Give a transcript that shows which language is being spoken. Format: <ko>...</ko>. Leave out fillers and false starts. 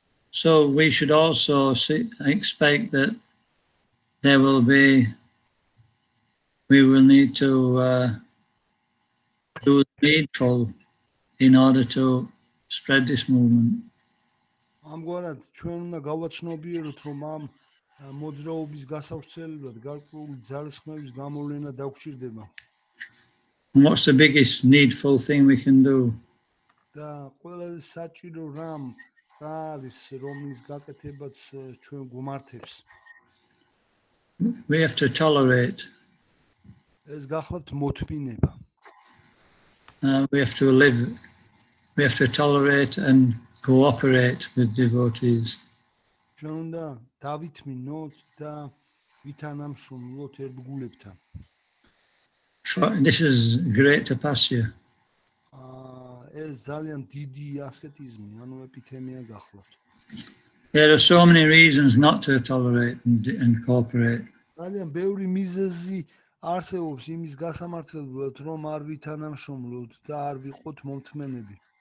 <en>So we should also expect that there will be we will need to do the needful in order to spread this movement</en> <ka>amgorat ჩვენ უნდა გავაცნობიეროთ რომ ამ მოძრაობის გასავრცელებლად გარკვეული ძალისხმევის გამოვლენა დაგვჭირდება</ka> <en>what's the biggest needful thing we can do</en> <ka>და ყველაზე საჭირო რამ არის რომის გაკეთებაც ჩვენ გვმართებს</ka> <en>we have to tolerate</en> <ka>ეს გახლავთ მოთმინება</ka> <en>we have to live we have to tolerate and cooperate with devotees.</en> <ka>ჩვენ დავითმინოთ და ვითანამშრომლოთ ერთგულებთან.</ka> <en>This is great tapasya.</en> <ka>Ეს ძალიან დიდი ასკეტიზმი, ანუ ეპითემია გახლავთ.</ka> <en>There are so many reasons not to tolerate and cooperate.</en> <ka>ძალიან ბევრი მიზეზი არსებობს იმის გასამართლებლად, რომ არ ვითანამშრომლოთ და არ ვიყოთ მომთმენები.</ka>